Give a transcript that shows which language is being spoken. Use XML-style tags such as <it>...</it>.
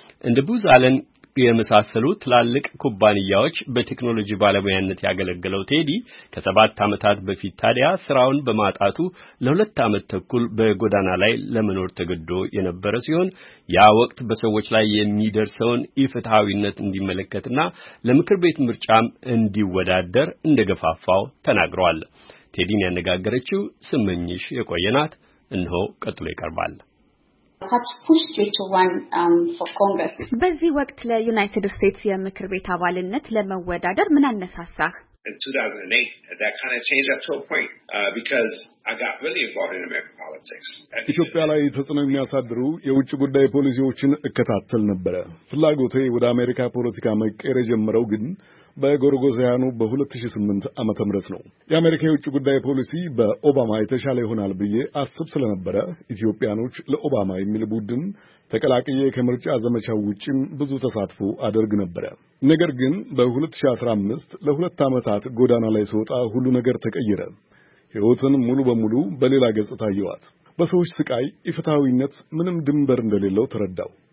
<am>እንደ ቡዝ አለን የመሳሰሉ ትላልቅ ኩባንያዎች በቴክኖሎጂ ባለሙያነት ያገለገለው ቴዲ ከሰባት ዓመታት በፊት ታዲያ ስራውን በማጣቱ ለሁለት ዓመት ተኩል በጎዳና ላይ ለመኖር ተገዶ የነበረ ሲሆን ያ ወቅት በሰዎች ላይ የሚደርሰውን ኢፍትሃዊነት እንዲመለከትና ለምክር ቤት ምርጫም እንዲወዳደር እንደገፋፋው ተናግሯል። ቴዲን ያነጋገረችው ስመኝሽ የቆየናት እንሆ ቀጥሎ ይቀርባል። በዚህ ወቅት ለዩናይትድ ስቴትስ የምክር ቤት አባልነት ለመወዳደር ምን አነሳሳህ?</am> <en>In 2008, that kind of changed up to a point because I got really involved in American politics.</en> <am>ኢትዮጵያ ላይ ተጽዕኖ የሚያሳድሩ የውጭ ጉዳይ ፖሊሲዎችን እከታተል ነበር። ፍላጎቴ ወደ አሜሪካ ፖለቲካ መቀየር ጀመረው ግን በጎርጎዛያኑ በ2008 ዓመተ ምህረት ነው። የአሜሪካ የውጭ ጉዳይ ፖሊሲ በኦባማ የተሻለ ይሆናል ብዬ አስብ ስለነበረ ኢትዮጵያኖች ለኦባማ የሚል ቡድን ተቀላቅዬ ከምርጫ ዘመቻው ውጪም ብዙ ተሳትፎ አደርግ ነበር። ነገር ግን በ2015 ለሁለት ዓመታት ጎዳና ላይ ሰውጣ ሁሉ ነገር ተቀየረ። ህይወትን ሙሉ በሙሉ በሌላ ገጽታ ይዋት። በሰዎች ስቃይ ኢፍትሃዊነት ምንም ድንበር እንደሌለው ተረዳው።</am>